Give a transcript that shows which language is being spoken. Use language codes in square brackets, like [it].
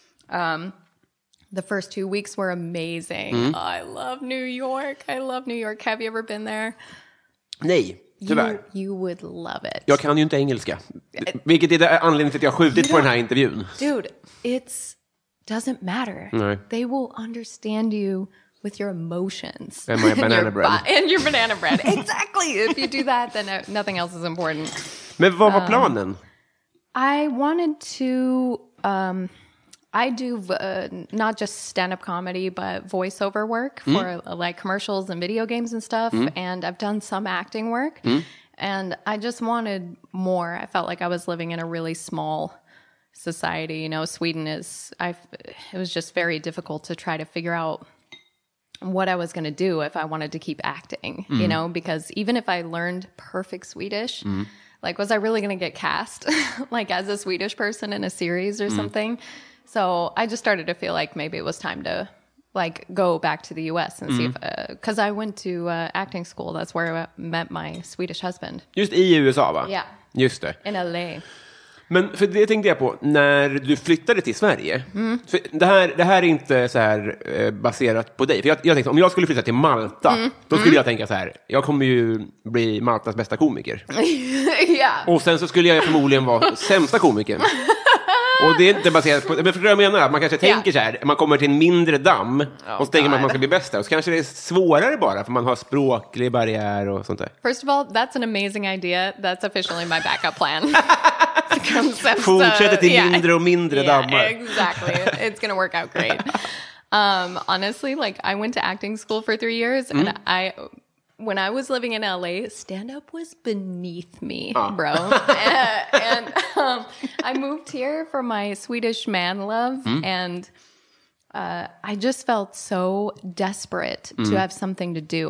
[en] The first 2 weeks were amazing. Mm-hmm. Oh, I love New York. I love New York. Have you ever been there? [sv] Nej. [en] You would love it. [sv] Jag kan ju inte engelska. Vilket är anledningen till att jag skjutit på den här intervjun. [en] Dude, it's doesn't matter. [sv] Nej. [en] They will understand you with your emotions. And my banana bread. And your banana bread. Exactly. If you do that, then nothing else is important. [sv] Men vad var planen? [en] I wanted to... I do not just stand-up comedy, but voiceover work for like commercials and video games and stuff. And I've done some acting work. And I just wanted more. I felt like I was living in a really small society. You know, Sweden is... it was just very difficult to try to figure out what I was going to do if I wanted to keep acting. You know, because even if I learned perfect Swedish... Like, was I really going to get cast like as a Swedish person in a series or something? So I just started to feel like maybe it was time to, like, go back to the U.S. and see if... Because I went to acting school. That's where I met my Swedish husband. [sv] Just i USA, va? [en] Yeah. [sv] Just det. [en] In L.A. [sv] Men för det tänkte jag på, när du flyttade till Sverige... Mm. För det här är inte så här baserat på dig. För jag tänkte, om jag skulle flytta till Malta, då skulle jag tänka så här... Jag kommer ju bli Maltas bästa komiker. Ja. Och sen så skulle jag förmodligen vara sämsta komikern. Och det är inte baserat på... Men för det jag menar, man kanske tänker så här... Man kommer till en mindre damm och så tänker man att man ska bli bäst där. Och så kanske det är svårare bara, för man har språklig barriär och sånt där. [en] First of all, that's an amazing idea. That's officially my backup plan. [sv] Fortsätter till mindre och mindre dammar. [en] Exactly. It's gonna work out great. Honestly, like, I went to acting school for 3 years, and I... When I was living in LA, stand-up was beneath me, bro. And I moved here for my Swedish man love, and I just felt so desperate to have something to do.